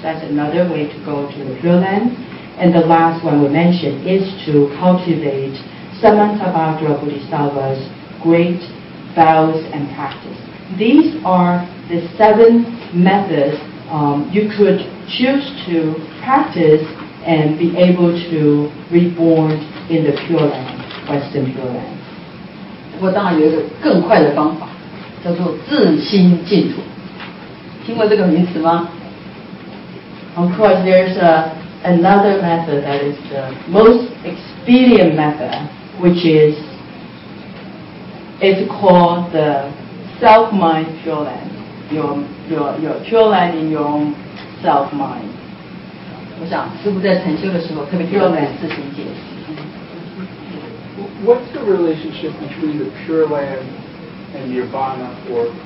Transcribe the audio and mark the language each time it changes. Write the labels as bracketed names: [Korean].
[English] That's another way to go to the Pure Land. And the last one we mentioned is to cultivate Samantabhadra Bodhisattva's great vows and practice. These are the seven methods you could choose to practice and be able to reborn in the Pure Land, Western Pure Land. [Chinese] 不过当然有一个更快的方法， 叫做自心净土。听过这个名词吗？ [English] Of course, there's another method that is the most expedient method, which is it's called the self-mind pure land, your pure land in your own self-mind. [Chinese] 我想师父在禅修的时候特别提到自心净土。 [English] What's the relationship between the Pure Land and Nirvana, or,